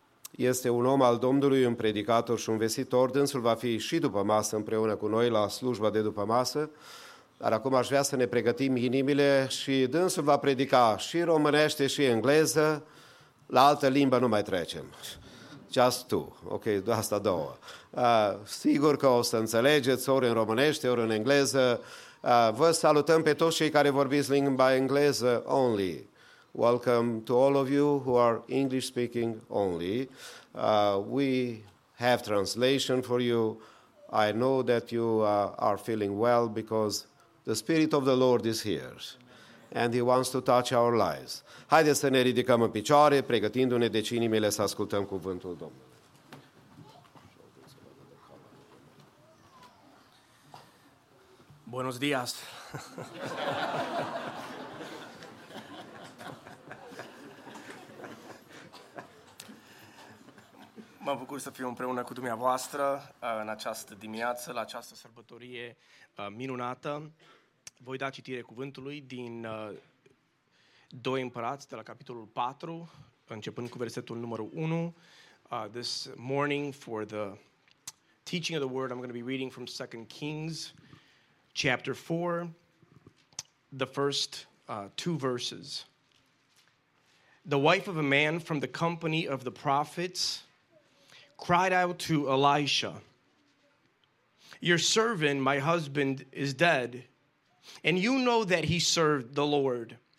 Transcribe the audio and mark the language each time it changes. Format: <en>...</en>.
<ro>Este un om al Domnului, un predicator și un vestitor. Dânsul va fi și după masă împreună cu noi la slujba de după masă, dar acum aș vrea să ne pregătim inimile și dânsul va predica și românește și engleză, la altă limbă nu mai trecem.</ro> <en>Just two, ok,</en> <ro>asta două. Sigur că o să înțelegeți ori în românește, ori în engleză. Vă salutăm pe toți cei care vorbiți limba engleză only.</ro> <en>Welcome to all of you who are English speaking only. We have translation for you. I know that you are feeling well because the Spirit of the Lord is here and He wants to touch our lives.</en> <ro>Haideți să ne ridicăm în picioare, pregătindu-ne deci inimile să ascultăm cuvântul Domnului.</ro> <es>Buenos días.</es> <ro>Mă bucur să fiu împreună cu dumneavoastră în această dimineață, la această sărbătorie minunată. Voi da citire cuvântului din 2 Împărați, de la capitolul 4, începând cu versetul numărul 1.</ro> <en>This morning, for the teaching of the word, I'm going to be reading from 2 Kings, Chapter 4, the first two verses. The wife of a man from the company of the prophets cried out to Elisha, "Your servant, my husband, is dead, and you know that he served the Lord.</en>